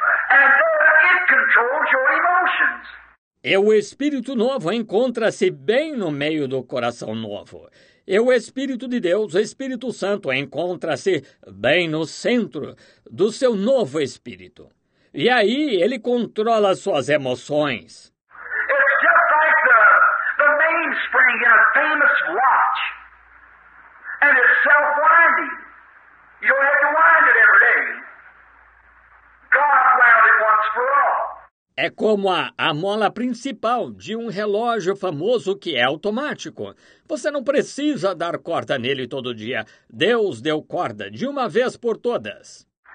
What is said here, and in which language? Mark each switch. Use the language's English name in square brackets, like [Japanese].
[English] And though it controls your emotions. [Portuguese] E o Espírito Novo encontra-se bem no meio do coração novo. E o Espírito de Deus, o Espírito Santo, encontra-se bem no centro do seu novo Espírito. E aí ele controla suas emoções. É como o mainspring em uma [English] famous watch. [Portuguese] E é self-winding. [English] You have to wind it every day. God wound it once for all. [Portuguese] É como a mola principal de um relógio famoso que é automático. Você não precisa dar corda nele todo dia. Deus deu corda de uma vez por todas.